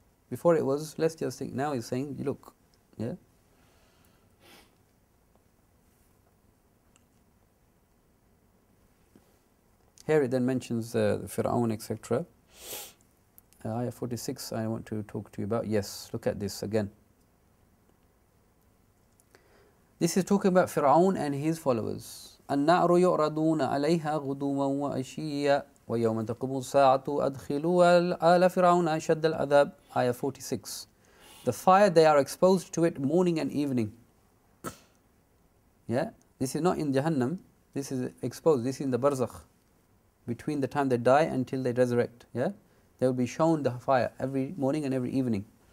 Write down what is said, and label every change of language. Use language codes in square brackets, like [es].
[en] Before it was, let's just think, now he's saying, look, Here it then mentions Fir'aun, etc. Ayah 46, I want to talk to you about. Yes, look at this again. This is talking about Fir'aun and his followers. [ar] النار يعرضون عليها غدوما وعشيا ويوم تقوم الساعة أدخلوا آل فرعون أشد العذاب. [en] Ayah 46. The fire, they are exposed to it morning and evening. Yeah, this is not in Jahannam. This is exposed. This is in the Barzakh. Between the time they die until they resurrect. Yeah, they will be shown the fire every morning and every evening.